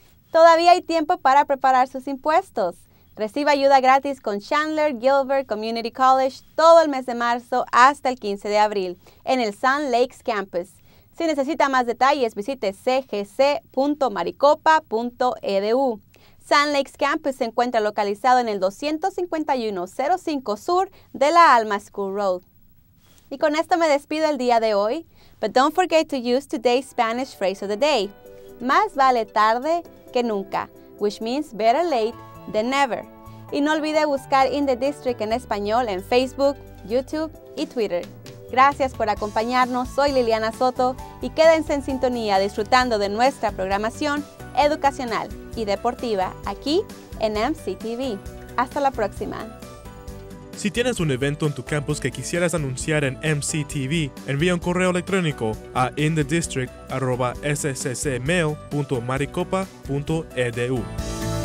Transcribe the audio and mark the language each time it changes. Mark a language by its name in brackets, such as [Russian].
[Spanish] Todavía hay tiempo para preparar sus impuestos. Reciba ayuda gratis con Chandler Gilbert Community College todo el mes de marzo hasta el 15 de abril en el Sun Lakes Campus. Si necesita más detalles, visite cgc.maricopa.edu. Sun Lakes Campus se encuentra localizado en el 25105 Sur de la Alma School Road. Y con esto me despido el día de hoy. [English] But don't forget to use today's Spanish phrase of the day. [Spanish] Más vale tarde que nunca, [English] which means better late than never. [Spanish] Y no olvide buscar In the District en español en Facebook, YouTube y Twitter. Gracias por acompañarnos. Soy Liliana Soto y quédense en sintonía disfrutando de nuestra programación educacional y deportiva aquí en MCTV. Hasta la próxima. Si tienes un evento en tu campus que quisieras anunciar en MCTV, envía un correo electrónico a inthedistrict@sccmail.maricopa.edu.